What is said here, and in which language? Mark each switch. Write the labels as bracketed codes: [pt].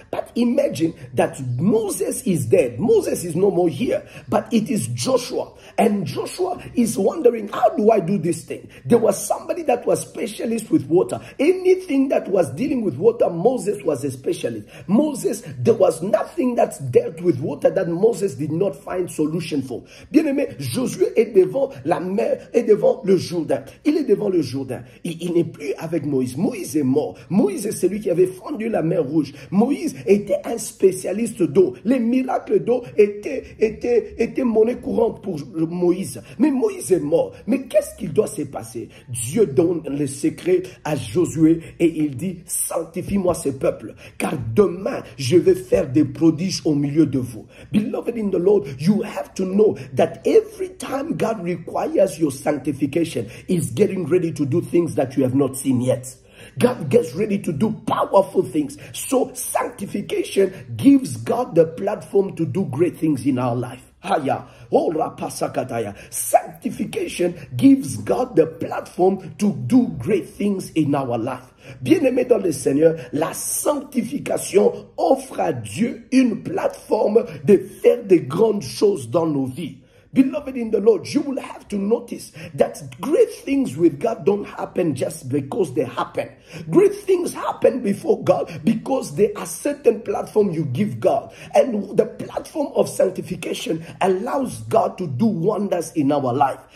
[en] But imagine that Moses is dead. Moses is no more here, but it is Joshua. And Joshua is wondering, how do I do this thing? There was somebody that was specialist with water. Anything that was dealing with water, Moses was a specialist. Moses, there was nothing that dealt with water that Moses did not find solution for. [fr] Bien-aimé, Josué est devant la mer, est devant le Jourdain. Il est devant le Jourdain. Il n'est plus avec Moïse. Moïse est mort. Moïse est celui qui avait fendu la mer rouge. Moïse était un spécialiste d'eau. Les miracles d'eau étaient monnaie courante pour Moïse. Mais Moïse est mort. Mais qu'est-ce qu'il doit se passer? Dieu donne le secret à Josué et il dit, sanctifie-moi ce peuple, car demain je vais faire des prodiges au milieu de vous. [en] Beloved in the Lord, you have to know that every time God requires your sanctification, he's getting ready to do things that you have not seen yet. God gets ready to do powerful things. So sanctification gives God the platform to do great things in our life. Haya, ora pasakataya. Sanctification gives God the platform to do great things in our life. [fr] Bien-aimé dans le Seigneur, la sanctification offre à Dieu une plateforme de faire de grandes choses dans nos vies. [en] Beloved in the Lord, you will have to notice that great things with God don't happen just because they happen. Great things happen before God because there are certain platforms you give God. And the platform of sanctification allows God to do wonders in our life.